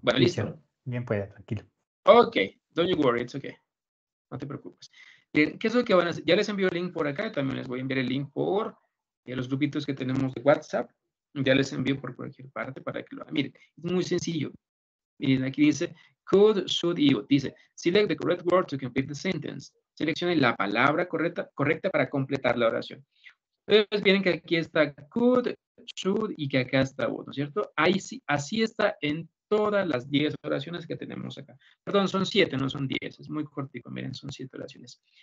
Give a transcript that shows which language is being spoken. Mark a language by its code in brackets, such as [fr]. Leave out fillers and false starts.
[es] Bueno, listo. Bien, pues, tranquilo. [en] Ok, don't you worry, it's okay. [es] No te preocupes. ¿Qué es lo que van a hacer? Ya les envío el link por acá, también les voy a enviar el link por los grupitos que tenemos de WhatsApp. Ya les envío por cualquier parte para que lo hagan. Miren, es muy sencillo. Miren, aquí dice, could, should, you. Dice, [en] select the correct word to complete the sentence. [es] Seleccione la palabra correcta para completar la oración. Entonces, miren que aquí está could, should y que acá está would, ¿no es cierto? Ahí sí, así está en todas las 10 oraciones que tenemos acá. Perdón, son 7, no son 10, es muy cortico, miren, son 7 oraciones.